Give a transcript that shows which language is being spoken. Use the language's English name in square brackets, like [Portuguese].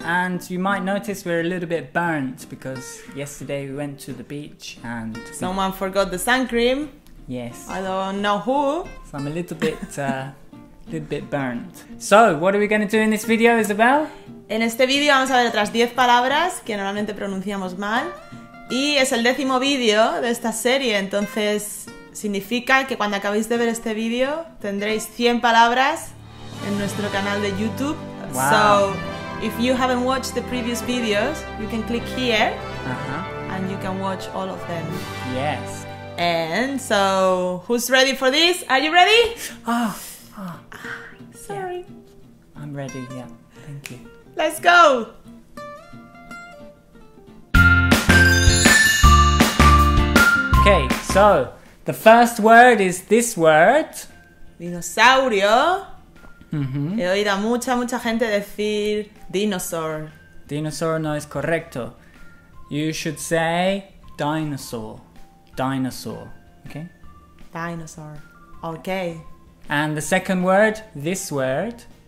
[English] And you might notice we're a little bit burnt because yesterday we went to the beach and... Someone forgot the sun cream. Yes. I don't know who. So I'm a little bit, burnt. So, what are we going to do in this video, Isabel? [Spanish] En este video vamos a ver otras 10 palabras que normalmente pronunciamos mal. Y es el décimo vídeo de esta serie, entonces significa que cuando acabéis de ver este vídeo tendréis 100 palabras en nuestro canal de YouTube. Wow. [English] So, if you haven't watched the previous videos, you can click here and you can watch all of them. Yes. And so, who's ready for this? Are you ready? Sorry. Yeah. I'm ready, yeah. Thank you. Let's go! Okay, so the first word is this word. [Spanish] Dinosaurio. Mm-hmm. He oído a mucha gente decir dinosaur. Dinosaur no es correcto. [English] You should say dinosaur. Dinosaur. Okay? Dinosaur. Okay. And the second word, this word.